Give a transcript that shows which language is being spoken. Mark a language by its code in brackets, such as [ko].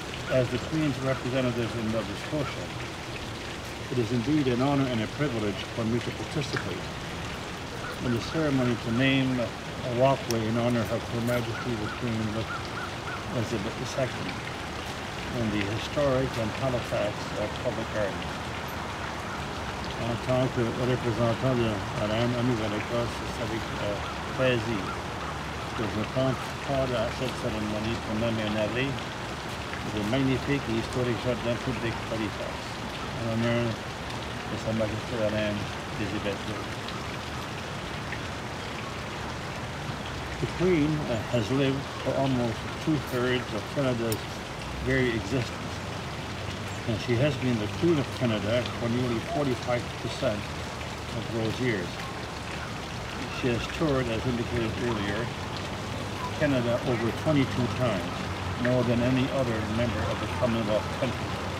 [en] As the Queen's representative in Nova Scotia, it is indeed an honor and a privilege for me to participate in the ceremony to name a walkway in honor of Her Majesty the Queen Elizabeth II in the historic and Halifax Public Gardens. [fr] En tant que représentant de la Reine Nouvelle-Écosse, c'est avec plaisir que je prends part à cette cérémonie pour nommer un allée du magnifique et historique jardin public Halifax, en honneur de Sa Majesté la Reine Elizabeth II. [en] The Queen has lived for almost two-thirds of Canada's very existence, and she has been the Queen of Canada for nearly 45% of those years. She has toured, as indicated earlier, Canada over 22 times, more than any other member of the Commonwealth country.